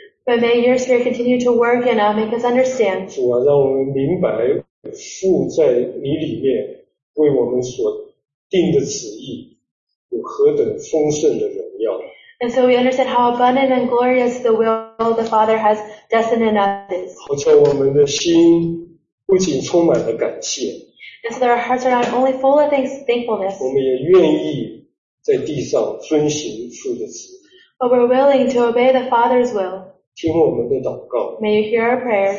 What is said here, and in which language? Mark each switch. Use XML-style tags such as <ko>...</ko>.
<en>But may your spirit continue to work and make us understand.</en> <zh>主啊，让我们明白父在你里面为我们所定的旨意有何等丰盛的荣耀。</zh> <en>And so we understand how abundant and glorious the will the Father has destined in us is.</en> <zh>好叫我们的心不仅充满了感谢。</zh> <en>And so our hearts are not only full of thankfulness.</en> <zh>我们也愿意在地上遵行父的旨意。</zh> <en>But we're willing to obey the Father's will.</en> <zh>听我们的祷告。</zh> <en>May you hear our prayers.</en>